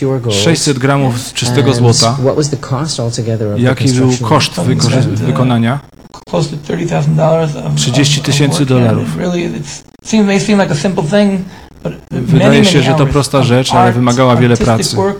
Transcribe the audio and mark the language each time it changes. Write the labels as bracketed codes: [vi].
[pl] 600 gramów czystego złota. Jaki był koszt wykonania? [en] Close to $30,000. $30,000. Really, it seems like a simple thing. [pl] Wydaje się, że to prosta rzecz, ale wymagała wiele pracy.